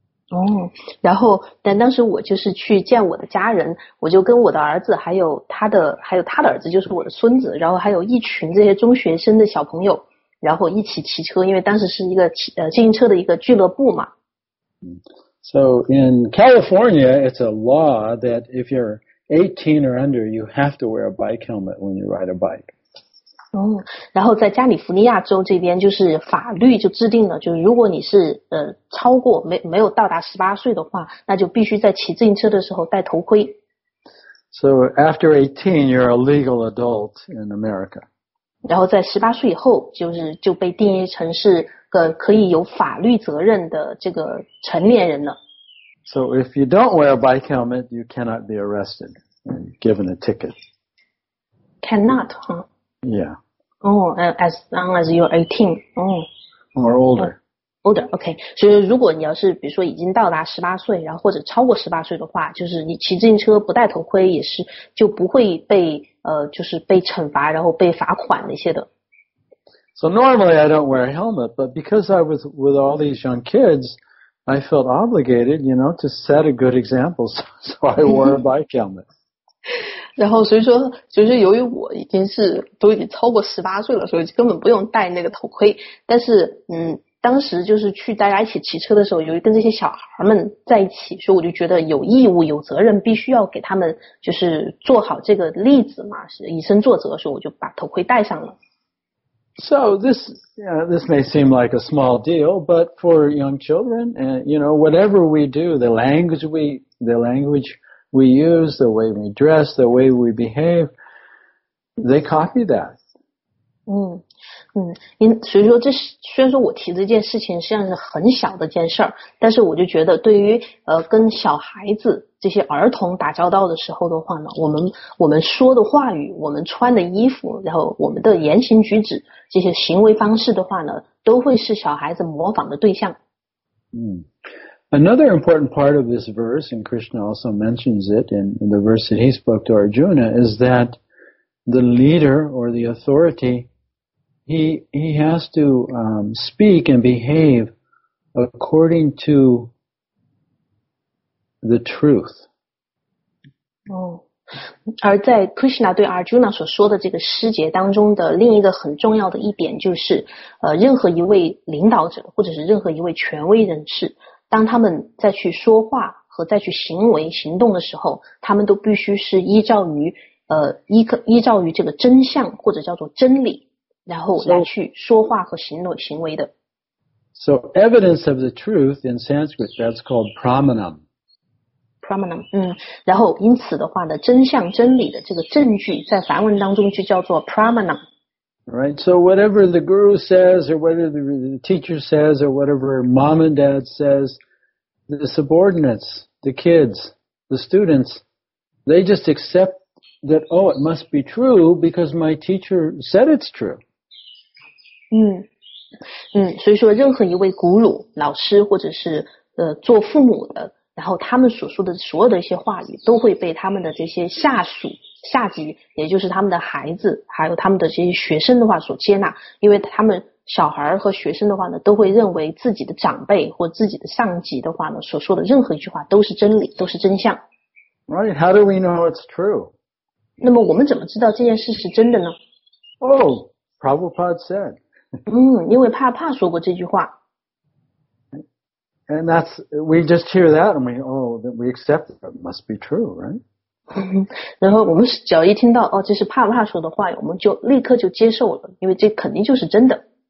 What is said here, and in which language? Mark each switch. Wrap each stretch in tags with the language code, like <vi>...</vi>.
<zh>哦，然后但当时我就是去见我的家人，我就跟我的儿子还有他的儿子，就是我的孙子，然后还有一群这些中学生的小朋友。然后一起骑车，因为当时是一个自行车的一个俱乐部嘛。</zh> <en>So in California, it's a law that if you're 18 or under, you have to wear a bike helmet when you ride a bike.</en> <zh>然后在加利福尼亚州这边，就是法律就制定了，就是如果你是超过没有到达18岁的话，那就必须在骑自行车的时候戴头盔。</zh> <en>So after 18, you're a legal adult in America.</en> <zh>然后在18岁以后就被定义成是个可以有法律责任的这个成年人了。</zh> <en>So if you don't wear a bike helmet, you cannot be arrested and given a ticket. Cannot, huh? Yeah. Oh, as long as you're 18. Oh. Or older. Older, okay.</en> <zh>所以如果你要是比如说已经到达18岁然后或者超过18岁的话，就是你骑自行车不戴头盔也是就不会被就是被惩罚然后被罚款那些的。</zh> <en>So normally I don't wear a helmet, but because I was with all these young kids, I felt obligated, you know, to set a good example, so I wore a bike helmet.</en> <zh>然后所以说由于我都已经超过18岁了，所以根本不用戴那个头盔，但是当时就是去大家一起骑车的时候，由于跟这些小孩们在一起，所以我就觉得有义务、有责任，必须要给他们就是做好这个例子嘛，是以身作则，所以我就把头盔戴上了。</zh> <en>So this may seem like a small deal, but for young children, you know, whatever we do, the language we use, the way we dress, the way we behave, they copy that.</en> <zh>所以说这虽然说我提这件事情实际上是很小的件事儿，但是我就觉得对于跟小孩子这些儿童打交道的时候的话呢，我们说的话语，我们穿的衣服，然后我们的言行举止，这些行为方式的话呢，都会是小孩子模仿的对象。</zh> <en>Another important part of this verse, and Krishna also mentions it in the verse that he spoke to Arjuna, is that the leader or the authority,He has to speak and behave according to the truth.</en> <zh>而在 Krishna 对 Arjuna 所说的这个师节当中的另一个很重要的一点就是任何一位领导者或者是任何一位权威人士，当他们再去说话和再去行动的时候，他们都必须是依照于这个真相或者叫做真理。然后来去说话和行为的。</zh> <en>So evidence of the truth in Sanskrit, that's called pramanam.</en> <zh>Pramanam, 然后因此的话呢，真相真理的这个证据在梵文当中就叫做 pramanam.</zh> <en>Right, so whatever the guru says, or whatever the teacher says, or whatever mom and dad says, the subordinates, the kids, the students, they just accept that, oh, it must be true because my teacher said it's true.</en> <zh>所以说任何一位古鲁老师或者是做父母的，然后他们所说的所有的一些话语都会被他们的这些下属下级，也就是他们的孩子，还有他们的这些学生的话所接纳，因为他们小孩和学生的话呢，都会认为自己的长辈或自己的上级的话呢，所说的任何一句话都是真理，都是真相。</zh> <en>Right? How do we know it's true?</en> <zh>那么我们怎么知道这件事是真的呢？</zh> <en>Oh, Prabhupada said.</en> <zh>因为帕帕说过这句话。</zh> <en>And that's, we just hear that and we accept it. It must be true, right?</en> <zh>然后我们只要一听到哦，这是帕帕说的话，我们就立刻就接受了，因为这肯定就是真的。</zh>